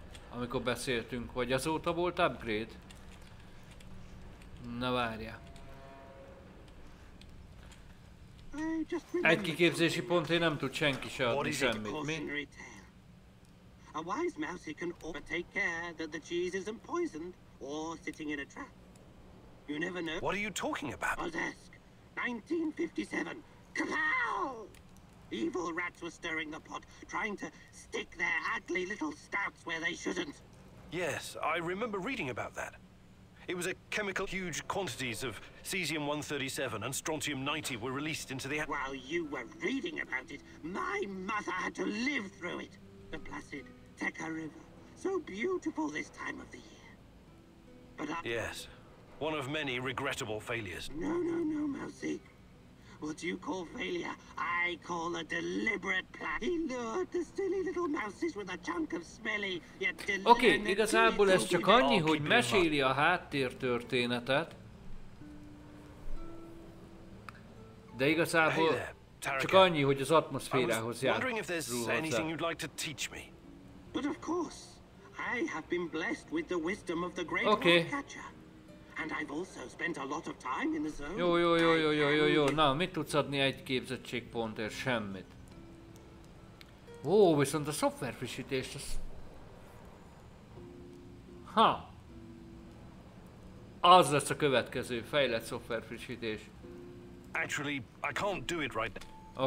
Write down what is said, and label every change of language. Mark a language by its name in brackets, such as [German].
[Hungarian] amikor beszéltünk, vagy azóta volt upgrade? Na várja. Egy kiképzési pont, én nem tud senki se adni semmit, mi? [English] A wise mouse, he can always take care that the cheese isn't poisoned or sitting in a trap. You never know. What are you talking about? I'll ask. 1957. Kapow! Evil rats were stirring the pot, trying to stick their ugly little snouts where they shouldn't. Yes, I remember reading about that. It was a chemical. Huge quantities of cesium-137 and strontium-90 were released into the... While you were reading about it, my mother had to live through it. The placid Teka River. So beautiful this time of the year. But I... Yes. One of many regrettable failures. No, no, no, Mousy. What you call failure, I call a deliberate plan. He lured the silly little mouses with a chunk of smelly, yet deliberate... [Hungarian] Okay, igazából ez csak annyi, hogy meséli a háttér történetet. De igazából csak annyi, hogy az atmoszférához járt. [English] Wondering if there's anything you'd like to teach me. But of course, I have been blessed with the wisdom of the great catcher. And I've also spent a lot of time in the zone. [Hungarian] Jó. Na, mit tudsz adni egy képzettségpontért? Semmit. Ó, viszont a software frissítést az... Ha! Az lesz a következő, fejlett software frissítés. [English] Actually, I can't do it right now.